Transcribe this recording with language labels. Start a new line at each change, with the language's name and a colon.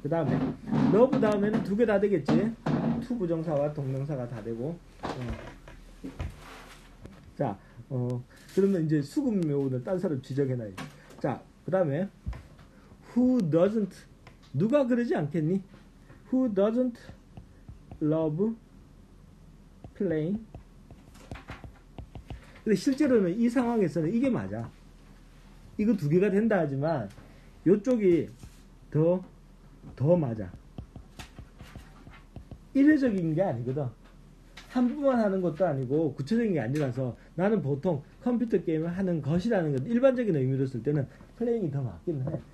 Korean: 그 다음에 love 다음에는 두개다 되겠지. to 부정사와 동명사가 다 되고. 자, 그러면 이제 수급요원을 딴 사람 지정해놔야지. 자, 그 다음에
English: who doesn't,
Korean: 누가 그러지 않겠니?
English: who doesn't love playing?
Korean: 근데 실제로는 이 상황에서는 이게 맞아. 이거 두 개가 된다 하지만 요쪽이 더 맞아. 일회적인 게 아니거든. 한 번만 하는 것도 아니고 구체적인 게 아니라서, 나는 보통 컴퓨터 게임을 하는 것이라는 건 일반적인 의미로 쓸 때는 플레잉이 더 맞긴 해.